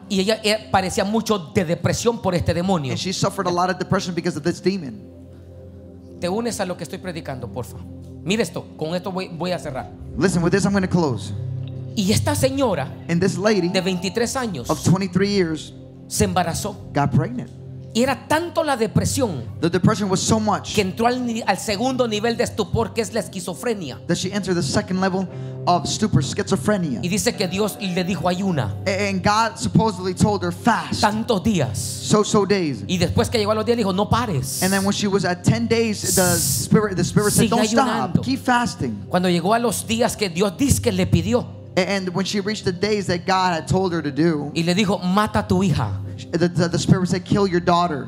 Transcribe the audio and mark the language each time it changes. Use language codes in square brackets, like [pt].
[es] Y ella padecía mucho de depresión por este demonio. [en] And she suffered a lot of depression because of this demon. [es] Te unes a lo que estoy predicando, porfa. Mira esto, con esto voy a cerrar. [en] Listen, with this I'm going to close. [es] Y esta señora, [en] and this lady, [es] de 23 años, [en] of 23 years, [es] se embarazó. [en] Got pregnant. [es] Y era tanto la depresión, [en] the depression was so much, [es] que entró al segundo nivel de estupor, que es la esquizofrenia. [en] That she entered the second level of stupor, schizophrenia. [es] Y dice que Dios le dijo ayuna. [en] And God supposedly told her fast. [es] Tantos días. [en] So days. [es] Y después que llegó a los días le dijo no pares. [en] And then when she was at 10 days, the spirit said, don't stop, keep fasting. [es] Cuando llegó a los días que Dios dice que le pidió. [en] And when she reached the days that God had told her to do. [es] Y le dijo mata a tu hija. [en] The spirit said, kill your daughter.